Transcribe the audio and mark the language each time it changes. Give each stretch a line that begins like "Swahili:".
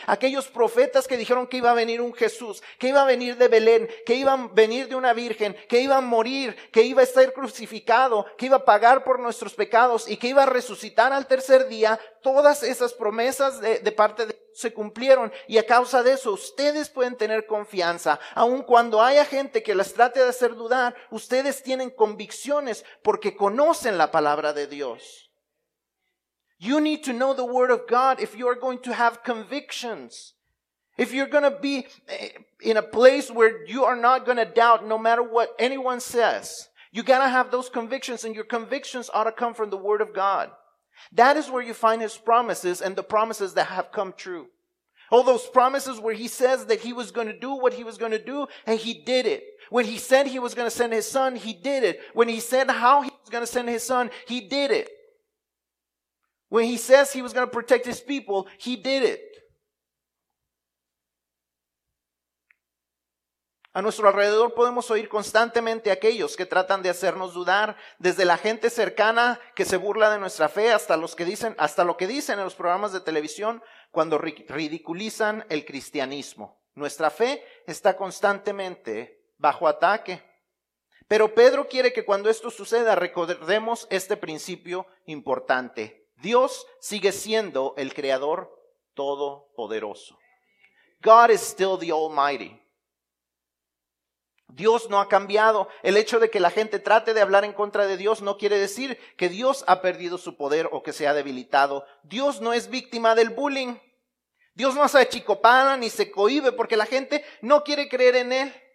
Spanish: Aquellos profetas que dijeron que iba a venir un Jesús, que iba a venir de Belén, que iba a venir de una virgen, que iba a morir, que iba a estar crucificado, que iba a pagar por nuestros pecados y que iba a resucitar al tercer día, todas esas promesas de parte de Dios se cumplieron, y a causa de eso ustedes pueden tener confianza, aun cuando haya gente que las trate de hacer dudar. Ustedes tienen convicciones porque conocen la palabra de Dios.
English: You need to know the word of God if you are going to have convictions. If you're going to be in a place where you are not going to doubt no matter what anyone says, you got to have those convictions, and your convictions ought to come from the word of God. That is where you find his promises and the promises that have come true. All those promises where he says that he was going to do what he was going to do, and he did it. When he said he was going to send his son, he did it. When he said how he was going to send his son, he did it. When he says he was going to protect his people, he did it.
Spanish: A nuestro alrededor podemos oír constantemente aquellos que tratan de hacernos dudar, desde la gente cercana que se burla de nuestra fe hasta lo que dicen en los programas de televisión cuando ridiculizan el cristianismo. Nuestra fe está constantemente bajo ataque. Pero Pedro quiere que cuando esto suceda recordemos este principio importante. Dios sigue siendo el Creador Todopoderoso.
English: God is still the Almighty.
Spanish: Dios no ha cambiado. El hecho de que la gente trate de hablar en contra de Dios no quiere decir que Dios ha perdido su poder o que se ha debilitado. Dios no es víctima del bullying. Dios no se achicopala ni se cohíbe porque la gente no quiere creer en él.